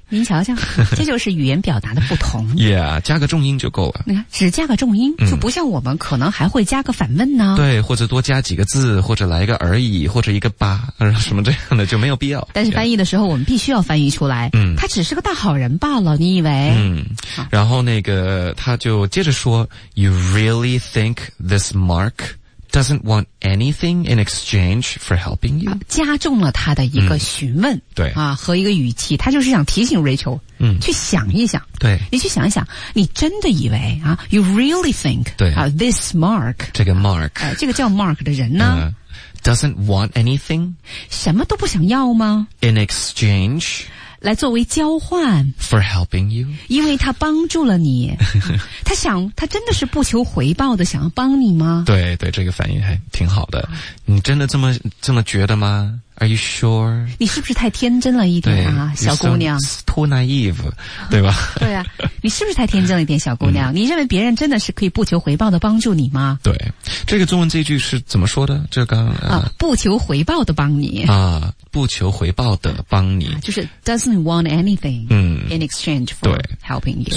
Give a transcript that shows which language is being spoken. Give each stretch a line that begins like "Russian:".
Chinese: 您瞧瞧，这就是语言表达的不同。 Yeah, 加个重音就够了。你看，只加个重音，就不像我们可能还会加个反问呢。对，或者多加几个字，或者来一个而已，或者一个吧，什么这样的就没有必要。但是翻译的时候，我们必须要翻译出来。他只是个大好人罢了，你以为？然后那个他就接着说
English: ，You really think this Mark doesn't want anything in exchange for helping you？
Chinese: 加重了他的一个询问。对。啊，和一个语气，他就是想提醒 Rachel， 去想一想。对。你去想一想，你真的以为啊 ,
English: you really think,
Chinese: 对。
English: 啊 ,this Mark。
Chinese: 这个 Mark。这个叫 Mark 的人呢。
English: Doesn't want anything?
Chinese: 什么都不想要吗
English: ?In exchange?
Chinese: 来作为交换。
English: For helping you?
Chinese: 因为他帮助了你。他想，他真的是不求回报的想要帮你吗？对对，这个反应还挺好的。你真的这么觉得吗？
English: Are you sure?
Chinese: 你是不是太天真了一点啊，小姑娘？
English: So, too naive, 对吧？
Chinese: 对啊，你是不是太天真了一点，小姑娘？你认为别人真的是可以不求回报的帮助你吗？对，这个中文这句是怎么说的？这刚啊，不求回报的帮你啊，不求回报的帮你，
English: 就是 doesn't want anything in exchange for helping you。